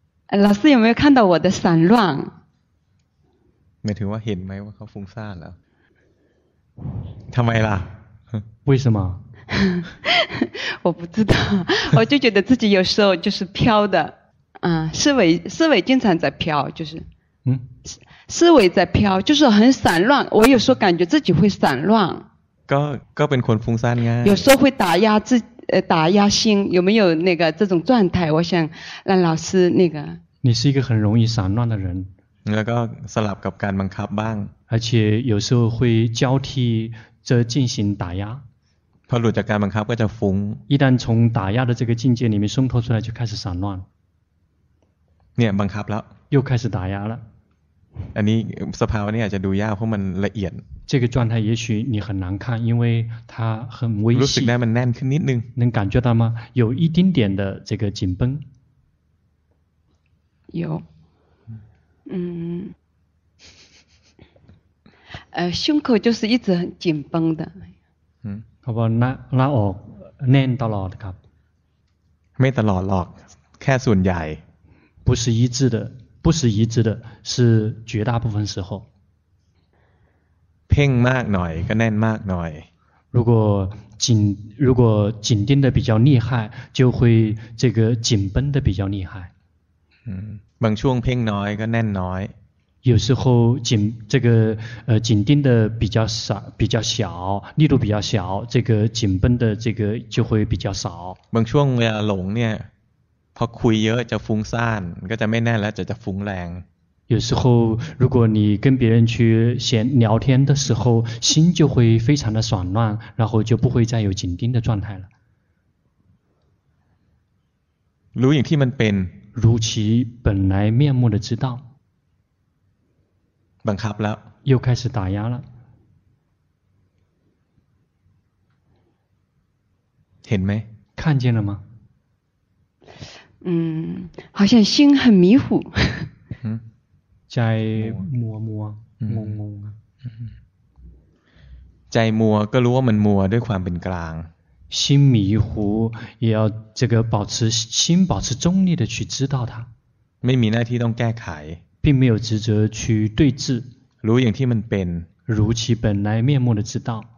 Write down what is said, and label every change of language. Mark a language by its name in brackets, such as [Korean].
[Chinese] 老师有没有看到我的散乱 [Thai] หมายถึงว่าเห็นไหมว่าเขาฟุ้งซ่านแล้วทำไมล่ะ [Chinese] 为什么我不知道我就觉得自己有时候就是飘的思维经常在飘就是思维在飘就是很散乱我有时候感觉自己会散乱 [Thai] ก็เป็นคนฟุ้งซ่านง่าย [Chinese] 有时候会打压心有没有那个这种状态我想让老师那个你是一个很容易散乱的人 [Thai] แล้วก็สลับกับการบังคับบ้าง [Chinese] 而且有时候会交替着进行打压 [Thai] พอหลุดจากการบังคับก็จะฟุ้ง [Chinese] 一旦从打压的这个境界里面松脱出来就开始散乱 [Thai] เนี่ยบังคับแล้ว [Chinese] 又开始打压了 [Thai] อันนี้สภาวะนี้อาจจะดูยากเพราะมันละเอียด [Chinese] 这个状态也许你很难看因为它很微细 [Thai] รู้สึกได้มันแน่นขึ้นนิดนึง [Chinese] 能感觉到吗有一丁点的这个紧绷有胸口就是一直很紧绷的。嗯，好吧，拉 [Thai] ออก แน่นตลอดครับ ไม่ตลอดหรอก แค่ส่วนใหญ่。 [Chinese] 不是一致的，不是一致的，是绝大部分时候。 [Thai] เพ่งมากหน่อยก็แน่นมากหน่อย。 [Chinese] 如果紧盯的比较厉害，就会这个紧绷的比较厉害。 [Thai] บางช่วงเพ่งน้อยก็แน่นน้อย [Chinese] 有时候紧这个紧盯的比较少比较小力度比较小这个紧绷的这个就会比较少 [Thai] บางช่วงเวลาหลงเนี่ยพอคุยเยอะจะฟุ้งซ่านก็จะไม่แน่แล้วจะฟุ้งแรง [Chinese] 有时候如果你跟别人去闲聊天的时候心就会非常的散乱然后就不会再有紧盯的状态了 [Thai] รู้อย่างที่มันเป็น [Chinese] 如其本来面目的知道 [Thai] บังคับแล้ว [Chinese] 又开始打压了 [Thai] เห็นไหม [Chinese] 看见了吗好像心很迷糊 [Thai] ใจมัวมัวงงงง ใจมัวก็รู้ว่ามันมัวด้วยความเป็นกลาง [Chinese] 心迷糊也要这个保持心保持中立的去知道它 [Thai] ไม่มีหน้าที่ต้องแก้ไข [Chinese] 并没有职责去对治 [Thai] รู้อย่างที่มันเป็น [Chinese] 如其本来面目的知道